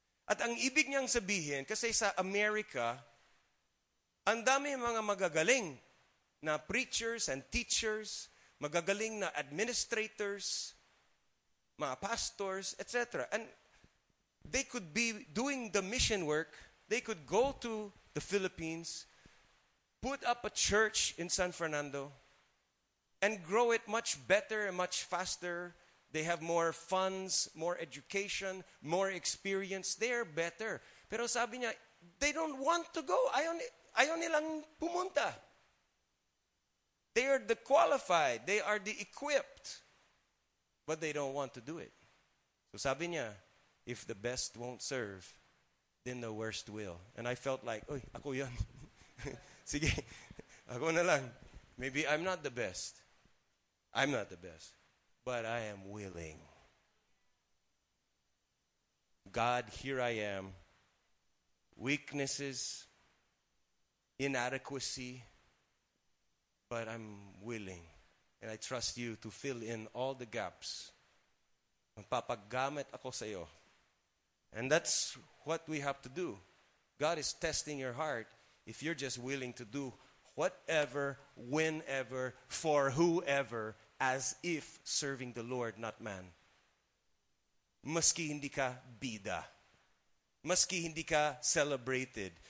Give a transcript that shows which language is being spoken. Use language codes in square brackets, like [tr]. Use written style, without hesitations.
[tl] At ang ibig niyang sabihin, kasi sa America, ang dami mga magagaling na preachers and teachers, magagaling na administrators, mga pastors, etc. [en] And they could be doing the mission work. They could go to the Philippines, put up a church in San Fernando, and grow it much better and much faster. They have more funds, more education, more experience. They're better. [tl] Pero sabi niya, [en] they don't want to go. [tl] Ayaw nilang pumunta. [en] They are the qualified. They are the equipped. But they don't want to do it. So [tl] sabi niya, [en] if the best won't serve, then the worst will. And I felt like, [tl] oy, ako yan. Sige, ako na lang. [en] Maybe I'm not the best. I'm not the best. But I am willing. God, here I am. Weaknesses, inadequacy, but I'm willing. And I trust you to fill in all the gaps. [tl] Magpapagamit ako sa iyo. [en] And that's what we have to do. God is testing your heart if you're just willing to do whatever, whenever, for whoever, as if serving the Lord, not man. [tl] Maski hindi ka bida. Maski hindi ka celebrated.